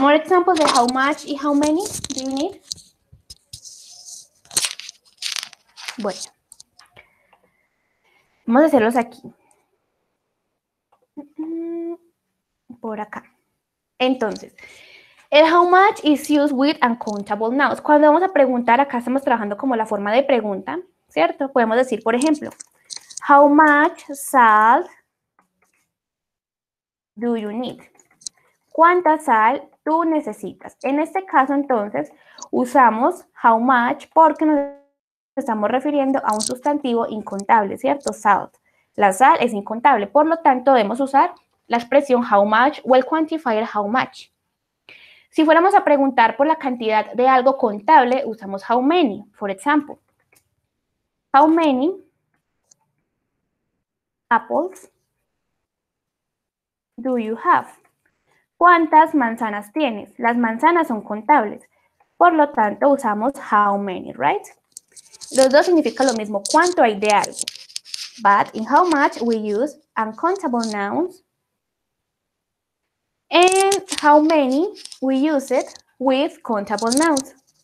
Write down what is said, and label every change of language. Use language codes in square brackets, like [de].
[en] More examples of how much y how many do you need? [es] Bueno, vamos a hacerlos aquí. Por acá. Entonces, el [en] how much is used with uncountable nouns. [es] Cuando vamos a preguntar, acá estamos trabajando como la forma de pregunta, ¿cierto? Podemos decir, por ejemplo, [en] how much salt do you need? [es] ¿Cuánta sal tú necesitas? En este caso, entonces, usamos how much porque nos estamos refiriendo a un sustantivo incontable, ¿cierto? Salt. La sal es incontable. Por lo tanto, debemos usar la expresión how much o el quantifier how much. Si fuéramos a preguntar por la cantidad de algo contable, usamos how many, [en] for example. How many apples do you have? [es] ¿Cuántas manzanas tienes? Las manzanas son contables. Por lo tanto, usamos how many, right? Los dos significan lo mismo, cuánto hay de algo. [en] But in how much we use uncountable nouns. And how many we use it with countable nouns.